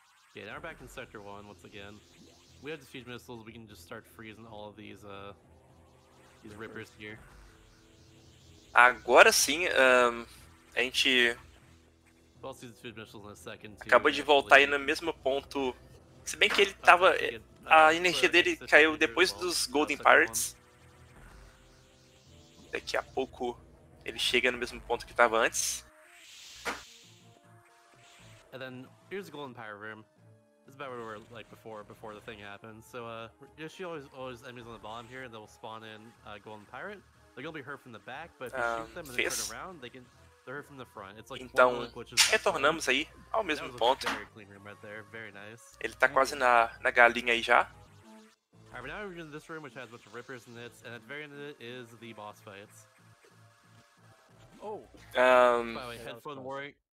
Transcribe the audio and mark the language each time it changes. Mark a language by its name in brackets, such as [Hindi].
[English] Okay, now we're back in Sector 1 once again. We have defeat missiles, we can just start freezing all of these rippers here. [Portuguese] Agora sim, a gente [English] we'll see the defeat missiles in a second too, [Portuguese] acabou de voltar aí no mesmo ponto. Se bem que ele tava. A energia dele caiu depois dos Golden Pirates. Daqui a pouco ele chega no mesmo ponto que tava antes. [English] And then here's the Golden Pirate Room. It's about where we were like before the thing happened. So she always enemies on the bottom here, and they'll spawn in Golden Pirate. They're gonna be hurt from the back, but if you shoot them and they turn around, they're hurt from the front. It's like [Portuguese] então, retornamos aí ao mesmo ponto. [English] Very clean room right there. Very nice. [Portuguese] Ele tá quase na galinha aí já. [English] Alright, now we're in this room which has a bunch of rippers in it, and at the very end of it is the boss fights. By the way, headphone warning.